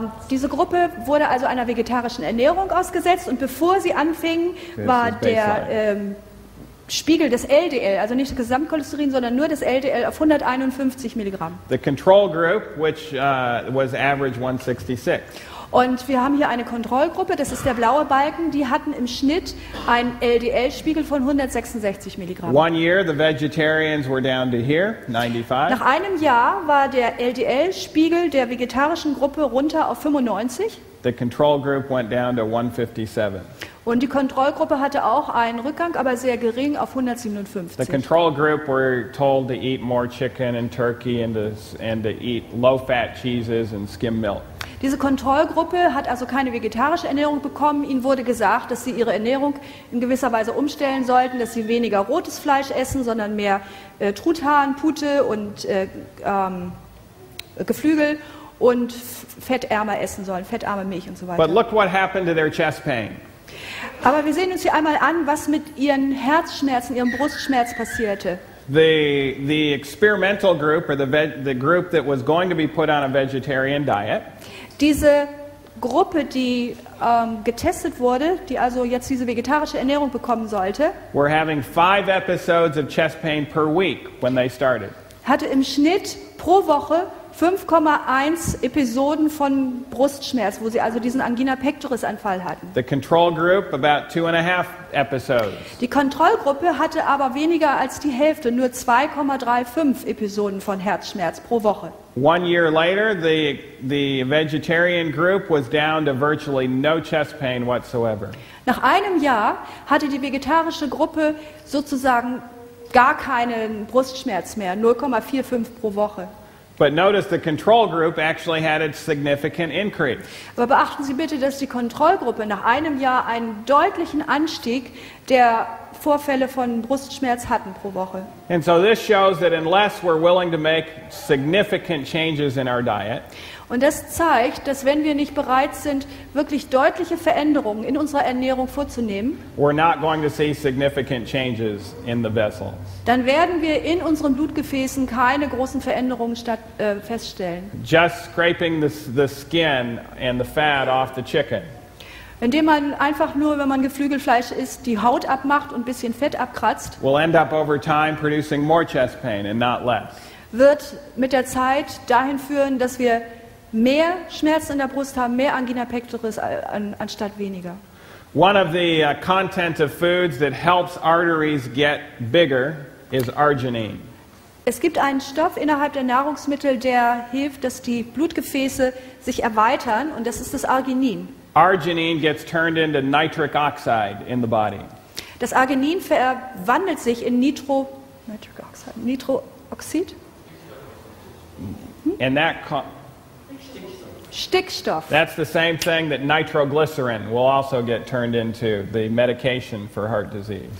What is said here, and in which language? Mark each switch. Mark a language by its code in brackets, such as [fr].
[de] Diese Gruppe wurde also einer vegetarischen Ernährung ausgesetzt und bevor sie anfingen, war der Spiegel des LDL, also nicht Gesamtcholesterin, sondern nur des LDL auf 151 Milligramm. [en] The control group, which was average 166. [de] Und wir haben hier eine Kontrollgruppe, das ist der blaue Balken, die hatten im Schnitt einen LDL-Spiegel von 166 Milligramm. [en] One year, the vegetarians were down to here, 95. [de] Nach einem Jahr war der LDL-Spiegel der vegetarischen Gruppe runter auf 95. [en] The control group went down to 157. [de] Und die Kontrollgruppe hatte auch einen Rückgang, aber sehr gering, auf 157. [en] The control group were told to eat more chicken and turkey and to eat low-fat cheeses and skim milk. [de] Diese Kontrollgruppe hat also keine vegetarische Ernährung bekommen. Ihnen wurde gesagt, dass sie ihre Ernährung in gewisser Weise umstellen sollten, dass sie weniger rotes Fleisch essen, sondern mehr Truthahn, Pute und Geflügel und fettärmer essen sollen, fettarme Milch und so weiter. [en] But look what happened to their chest pain. [de] Aber wir sehen uns hier einmal an, was mit ihren Herzschmerzen, ihrem Brustschmerz passierte. [en] The experimental group or the group that was going to be put on a vegetarian diet. [de] Diese Gruppe, die getestet wurde, die also jetzt diese vegetarische Ernährung bekommen sollte, [en] were having 5 episodes of chest pain per week when they started. [de] Hatte im Schnitt pro Woche 5,1 Episoden von Brustschmerz, wo sie also diesen Angina pectoris Anfall hatten. [en] The control group about 2.5 episodes. [de] Die Kontrollgruppe hatte aber weniger als die Hälfte, nur 2,35 Episoden von Herzschmerz pro Woche. [en] One year later, the vegetarian group was down to virtually no chest pain whatsoever. [de] Nach einem Jahr hatte die vegetarische Gruppe sozusagen gar keinen Brustschmerz mehr, 0,45 pro Woche. [en] But notice the control group actually had a significant increase. [de] Aber beachten Sie bitte, dass die Kontrollgruppe nach einem Jahr einen deutlichen Anstieg der Vorfälle von Brustschmerz hatten pro Woche. [en] And so this shows that unless we're willing to make significant changes in our diet. [de] Und das zeigt, dass wenn wir nicht bereit sind, wirklich deutliche Veränderungen in unserer Ernährung vorzunehmen, [en] we're not going to see significant changes in the vessels. [de] Dann werden wir in unseren Blutgefäßen keine großen Veränderungen feststellen. [en] Just scraping the skin and the fat off the chicken. [de] Indem man einfach nur, wenn man Geflügelfleisch isst, die Haut abmacht und ein bisschen Fett abkratzt, [en] will end up over time producing more chest pain and not less. [de] Wird mit der Zeit dahin führen, dass wir mehr Schmerzen in der Brust haben, mehr Angina pectoris anstatt weniger. [en] One of the content of foods that helps arteries get bigger is arginine. [de] Es gibt einen Stoff innerhalb der Nahrungsmittel, der hilft, dass die Blutgefäße sich erweitern, und das ist das Arginin. [en] Arginine gets turned into nitric oxide in the body. [de] Das Arginin verwandelt sich in Nitrooxid. [en] And that [de] Stickstoff. [en] That's the same thing that nitroglycerin will also get turned into, the medication for heart disease.